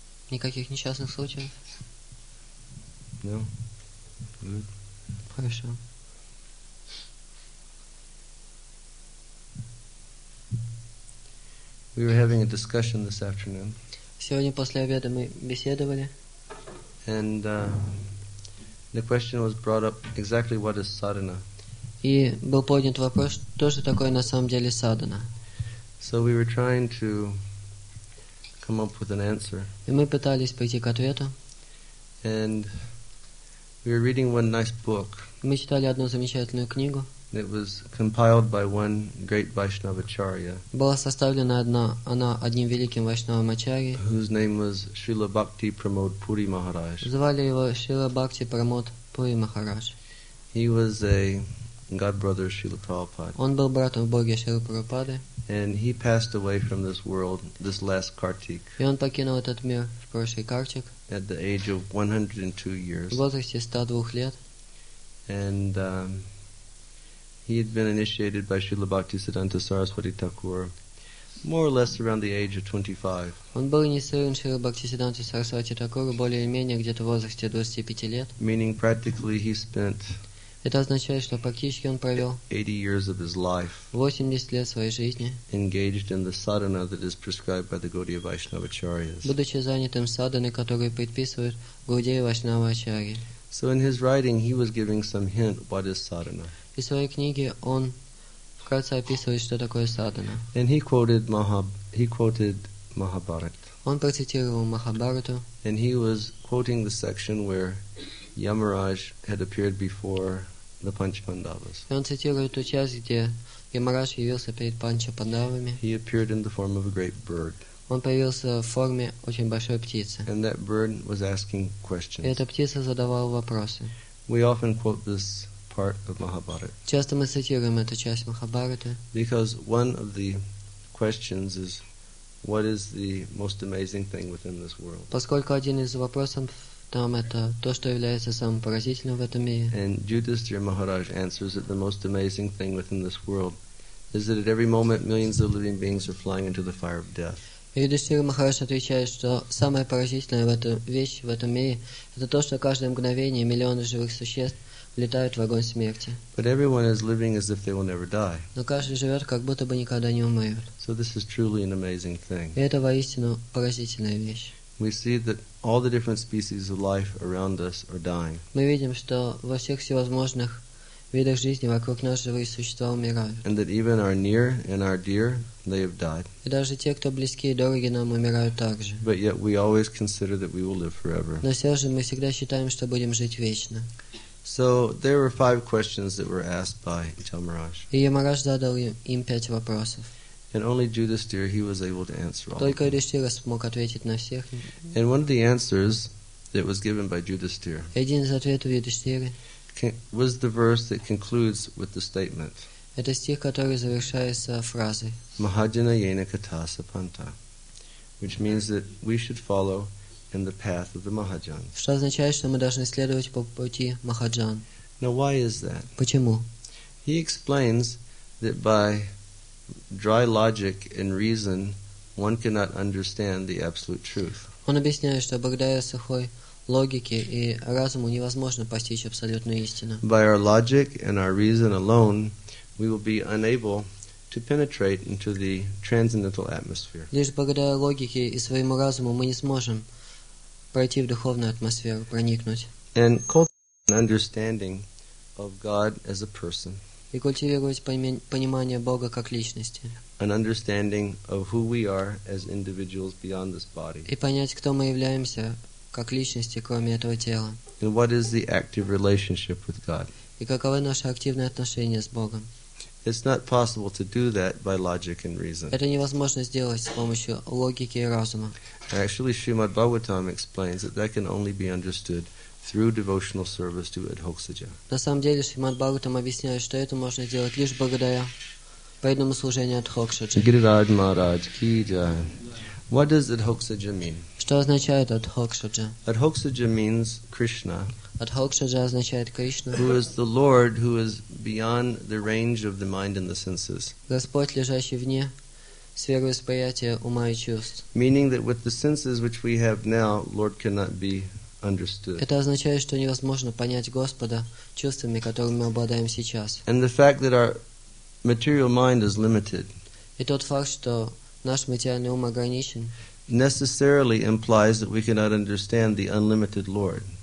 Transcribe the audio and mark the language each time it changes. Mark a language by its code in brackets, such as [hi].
[ru] Никаких несчастных случаев? [en] No. Good. [ru] Хорошо. [en] We were having a discussion this afternoon. [ru] Сегодня после обеда мы беседовали. [en] And the question was brought up, exactly what is sadhana? [ru] И был поднят вопрос, что же такое на самом деле садхана? [en] So we were trying to come up with an answer. [ru] И мы пытались прийти к ответу. [en] And we were reading one nice book. [ru] Мы читали одну замечательную книгу. [en] It was compiled by one great Vaishnavacharya. [ru] Была составлена она одним великим Вайшнавачарьей. [en] Whose name was Srila Bhakti Pramod Puri Maharaj. [ru] Звали его Srila Bhakti Pramod Puri Maharaj. [en] He was a god brother of Srila Prabhupada. [ru] Он был братом Бога Шрилы Прабхупады. [en] And he passed away from this world this last Kartik. [ru] И он покинул этот мир в прошлый Картик. [en] At the age of 102 years. [ru] В возрасте 102 лет. [en] And he had been initiated by Srila Bhaktisiddhanta Saraswati Thakur more or less around the age of 25. [ru] Он был инициирован Шрила Бхактисиддханта Сарасвати Такура более или менее где-то в возрасте 25 лет. [en] Meaning practically he spent. [ru] Это означает, что практически он провел [en] 80 years of his life. [ru] 80 лет своей жизни. [en] Engaged in the sadhana that is prescribed by the Gaudiya Vaishnavacharyas. [ru] Будучи занятым садханой, которую предписывают Гаудия Вайшнавачарьи. [en] So in his writing he was giving some hint what is sadhana. [ru] В своей книге он вкратце описывает, что такое садхана. [en] And he quoted Mahabharata. [ru] Он процитировал Махабхарату. [en] And he was quoting the section where Yamaraj had appeared before the Panchpandavas. [ru] И он цитирует ту часть, где Ямарадж явился перед Панчапандавами. [en] He appeared in the form of a great bird. [ru] Он появился в форме очень большой птицы. [en] And that bird was asking questions. [ru] И эта птица задавала вопросы. [en] We often quote this part of Mahabharata. [ru] Часто мы цитируем эту часть Махабхараты. [en] Because one of the questions is, what is the most amazing thing within this world? [ru] Поскольку один из вопросов там это то, что является самым поразительным в этом мире. [en] And Yudhisthira Maharaj answers that the most amazing thing within this world is that at every moment millions of living beings are flying into the fire of death. [ru] Юдхиштхира Махарадж отвечает, что самое поразительное в этом вещь в этом мире это то, что каждое мгновение миллионы живых существ летают в огонь смерти. [en] But everyone is living as if they will never die. [ru] Но каждый живет, как будто бы никогда не умрет. [en] So this is truly an amazing thing. [ru] И это воистину поразительная вещь. [en] We see that all the different species of life around us are dying. [ru] Мы видим, что во всех всевозможных видах жизни вокруг нас живые существа умирают. [en] And that even our near and our dear, they have died. [ru] И даже те, кто близки и дороги нам, умирают также. [en] But yet we always consider that we will live forever. [ru] Но все же мы всегда считаем, что будем жить вечно. [en] So there were five questions that were asked by Yamaraj. [ru] И Ямарадж задал им пять вопросов. [en] And only Yudhisthira, he was able to answer all. [ru] Только Юдхиштхира смог ответить на всех. [en] And one of the answers that was given by Yudhisthira. [ru] Один из ответов Юдхиштхиры. [en] Was the verse that concludes with the statement. [ru] Это стих, который завершается фразой. [sa] Mahajana yena katasa panta, [en] which means that we should follow in the path of the Mahajan. [ru] Что означает, что мы должны следовать по пути Mahajan. [en] Now why is that? [ru] Почему? [en] He explains that by dry logic and reason, one cannot understand the absolute truth. [ru] Он объясняет, что благодаря сухой логике и разуму невозможно постичь абсолютную истину. [en] By our logic and our reason alone, we will be unable to penetrate into the transcendental atmosphere. [ru] Лишь благодаря логике и своему разуму мы не сможем пройти в духовную атмосферу, проникнуть. [en] And cultivate an understanding of God as a person. [ru] И культивировать понимание Бога как личности. [en] An understanding of who we are as individuals beyond this body. [ru] И понять, кто мы являемся как личности, кроме этого тела. [en] And what is the active relationship with God? [ru] И каковы наши активные отношения с Богом? [en] It's not possible to do that by logic and reason. [ru] Это невозможно сделать с помощью логики и разума. [en] Actually, Srimad Bhagavatam explains that that can only be understood through devotional service to Adhoksaja. [ru] На самом деле, Шримад Бхагаватам объясняет, что это можно сделать лишь благодаря преданному служению Адхоксаджа. [hi] Гирирадж Махарадж ки джай. [en] What does adhoksaja mean? [ru] Что означает адхоксаджа? [en] Адхоксаджа means Krishna. [ru] Адхоксаджа означает Кришна. [en] Who is the Lord who is beyond the range of the mind and the senses? [ru] Господь, лежащий вне сферы восприятия ума и чувств. [en] Meaning that with the senses which we have now, Lord cannot be understood. [ru] Это означает, что невозможно понять Господа чувствами, которыми мы обладаем сейчас. [en] And the fact that our material mind is limited. [ru] И тот факт, что наш материальный ум ограничен. [en] Necessarily implies that we cannot understand the unlimited Lord.